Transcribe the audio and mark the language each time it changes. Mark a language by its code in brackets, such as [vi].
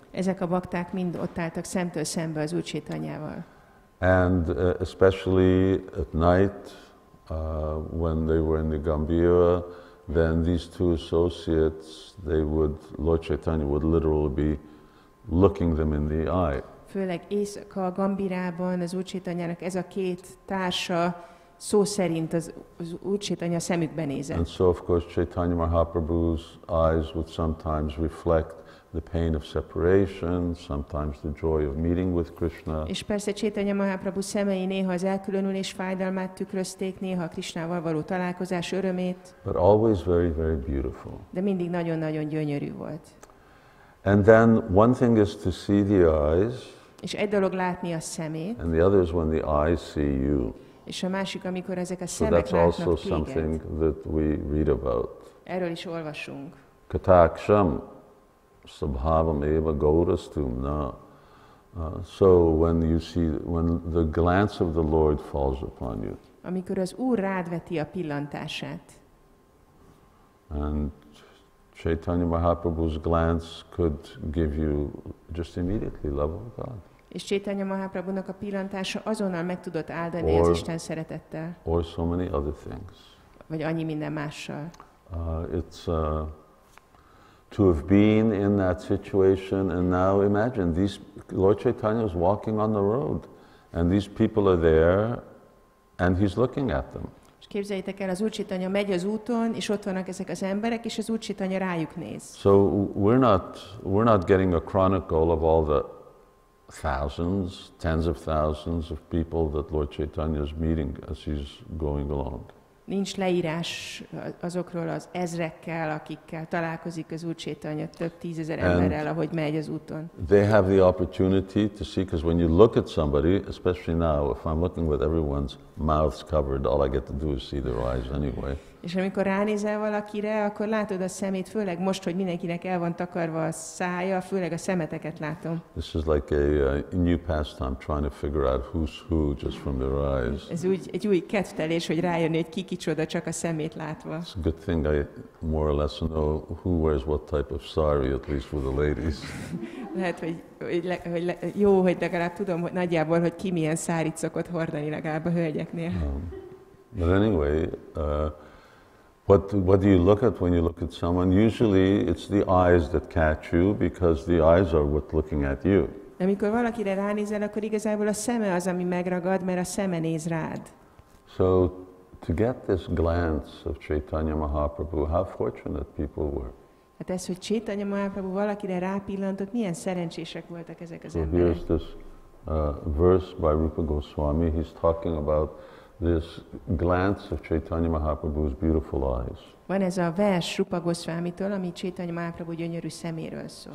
[hu] Ezek a bakták mind ott álltak szemtől szembe az Úr Chaitanyával. [en] And especially at night, when they were in the Gambhira, then these two associates, Lord Chaitanya would literally be looking them in the eye. [hu] Főleg éjszaka a Gambhirában az Úr Chaitanyának ez a két társa szó szerint az Úr Chaitanya szemükbe nézett. [en] And so of course Chaitanya Mahaprabhu's eyes would sometimes reflect the pain of separation, sometimes the joy of meeting with Krishna. [hu] És persze Chaitanya Mahaprabhu szemei néha az elkülönülés fájdalmát tükrözték, néha a Krishnával való találkozás örömét. [en] But always very, very beautiful. [hu] De mindig nagyon-nagyon gyönyörű volt. [en] And then one thing is to see the eyes. [hu] És egy dolog látni a szemét. [en] And the other is when the eyes see you. [hu] És a másik, amikor ezek a szemek látnak téged. [en] So that's also something that we read about. [hu] Erről is olvasunk. [sa] Kataksham. Sabhavam eva gaurastum na. [en] So when the glance of the Lord falls upon you. [hu] Amikor az Úr rád veti a pillantását. [en] And Chaitanya Mahaprabhu's glance could give you just immediately love of God. [hu] És Chaitanya Mahaprabhunak a pillantása azonnal meg tudott áldani az Isten szeretettel. [en] Or so many other things. [hu] Vagy annyi minden mással. [en] To have been in that situation, and now imagine these Lord Chaitanya is walking on the road, and these people are there, and he's looking at them. [hu] És képzeljétek el, az Úr Chaitanya megy az úton, és ott vannak ezek az emberek, és az Úr Chaitanya rájuk néz. [en] So we're not getting a chronicle of all the thousands, tens of thousands of people that Lord Chaitanya is meeting as he's going along. [hu] Nincs leírás azokról az ezrekkel, akikkel találkozik az Úr Csétanya, több tízezer emberrel, ahogy megy az úton. [en] They have the opportunity to see, because when you look at somebody, especially now, if I'm looking with everyone's mouths covered, all I get to do is see their eyes anyway. [hu] És amikor ránézel valakire, akkor látod a szemét, főleg most, hogy mindenkinek el van takarva a szája, főleg a szemeteket látom. [en] This is like a new pastime, trying to figure out who's who just from their eyes. [hu] Ez úgy egy új kedvtelés, hogy rájönni, hogy ki kicsoda csak a szemét látva. [en] It's a good thing I more or less know who wears what type of sari, at least for the ladies. [hu] Lehet, hogy jó, hogy legalább tudom hogy nagyjából, hogy ki milyen szárit szokott hordani legalább a hölgyeknél. [en] But anyway, What do you look at when you look at someone? Usually it's the eyes that catch you because the eyes are what looking at you. [hu] Amikor valakire ránézel, akkor igazából a szeme az, ami megragad, mert a szeme néz rád. [en] So to get this glance of Chaitanya Mahaprabhu, how fortunate people were. [hu] Hát ez, hogy Chaitanya Mahaprabhu valakire rápillantott, milyen szerencsések voltak ezek az [en] so [hu] emberek. [en] Here's this verse by Rupa Goswami. He's talking about this glance of Chaitanya Mahaprabhu's beautiful eyes. [hu] Van ez a vers Rupa Goszvámitól, ami Chaitanya Mahaprabhu gyönyörű szeméről szól.